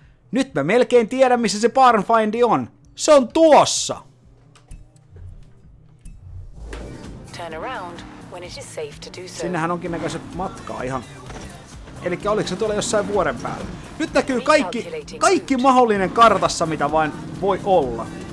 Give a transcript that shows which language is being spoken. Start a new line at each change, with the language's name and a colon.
Finnish: Nyt mä melkein tiedän, missä se barn find on. Se on tuossa!
English: Turn around when it is safe to do so.
Finnish: Sinnehän onkin näköiset matkaa ihan. Elikkä oliko se tuolla jossain vuoren päällä? Nyt näkyy kaikki mahdollinen kartassa, mitä vain voi olla.